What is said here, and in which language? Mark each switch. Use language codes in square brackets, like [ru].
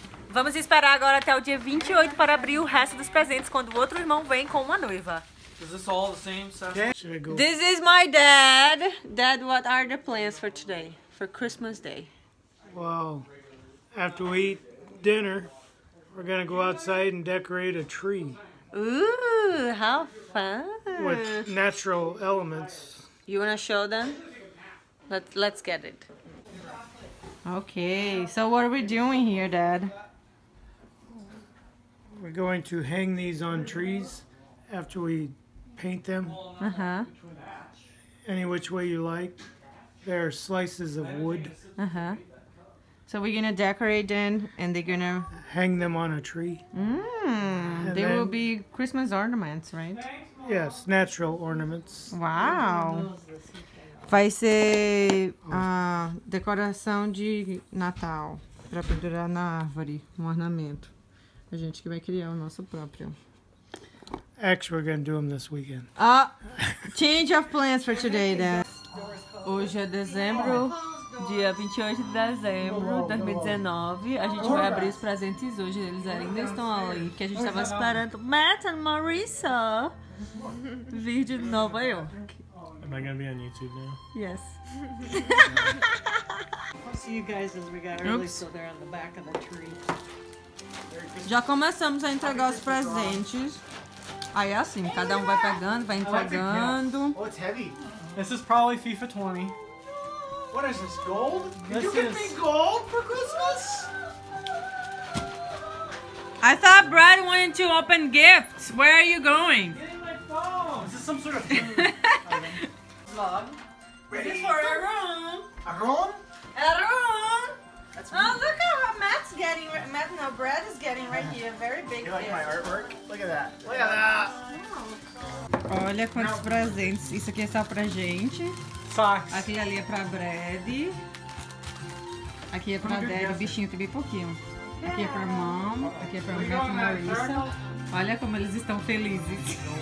[pt] Vamos esperar agora até o dia 28 para abrir o resto dos presentes quando o outro irmão vem com uma noiva. [en] Is this all the same? This is my dad. Dad, what are the plans for today? For Christmas Day? Well, after we eat dinner, we're going to go outside and decorate a tree. Ooh, how fun. With natural elements. You want to show them? Let's get it. Okay, so what are we doing here, Dad? We're going to hang these on trees after we paint them. Uh-huh. Any which way you like. They're slices of wood. Uh-huh. So we're going to decorate them and they're going to... Hang them on a tree. They then... will be Christmas ornaments, right? Yes, natural ornaments. Wow. [pt] Vai ser decoração de Natal para pendurar na árvore, um ornamento. A gente que vai criar o nosso próprio. [en] Actually, we're going to do them this weekend. Change of plans for today, then. [pt] Hoje é dezembro, dia 28 de dezembro de 2019. A gente vai abrir os presentes hoje. Eles ainda estão ali, que a gente estava esperando Matt and Marissa vir de Nova York. [en] Am I going to be on YouTube now? Yes. I'll see you guys as we got early, so they're on the back of the tree. Já começamos a entregar os presentes. Aí é assim, cada um vai pegando, vai entregando. Oh, it's heavy. This is probably FIFA 20. What is this, gold? Did you give me gold for Christmas? I thought Brad wanted to open gifts. Where are you going? Getting my phone. Is this some sort of food? Ready? This is for Arun. Arun? Arun! Oh, look at what Matt's getting. Brad is getting right here. Very big gift. You like my artwork? Look at that. [pt] Olha quantos presentes. Isso aqui é só pra gente. [en] Socks. [pt] Aqui ali é pra Brad. Aqui é pra Dad. O bichinho tem bem pouquinho. Aqui é pra Mom. Aqui é pra Matt e Marissa. Olha como eles estão felizes.